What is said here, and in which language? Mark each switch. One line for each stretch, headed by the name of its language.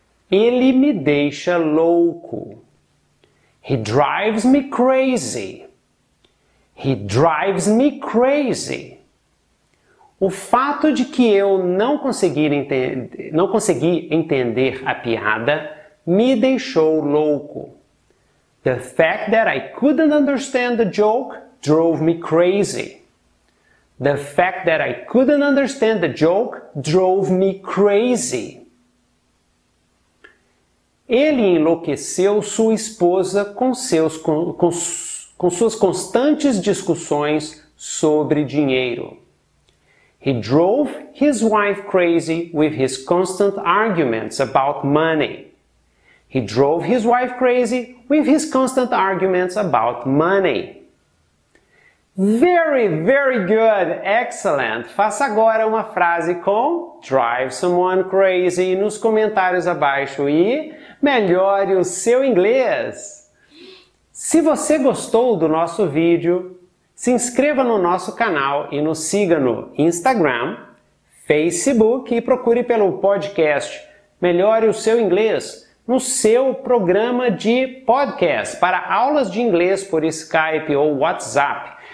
Portuguese: Ele me deixa louco.
English: He drives me crazy. He drives me crazy.
Portuguese: O fato de que eu não consegui entender a piada me deixou louco.
English: The fact that I couldn't understand the joke drove me crazy. The fact that I couldn't understand the joke drove me crazy.
Portuguese: Ele enlouqueceu sua esposa com suas constantes discussões sobre dinheiro.
English: He drove his wife crazy with his constant arguments about money. He drove his wife crazy with his constant arguments about money. Very, very good. Excellent.
Portuguese: Faça agora uma frase com
English: drive someone crazy
Portuguese: nos comentários abaixo e melhore o seu inglês. Se você gostou do nosso vídeo, se inscreva no nosso canal e nos siga no Instagram, Facebook e procure pelo podcast Melhore o Seu Inglês no seu programa de podcast para aulas de inglês por Skype ou WhatsApp,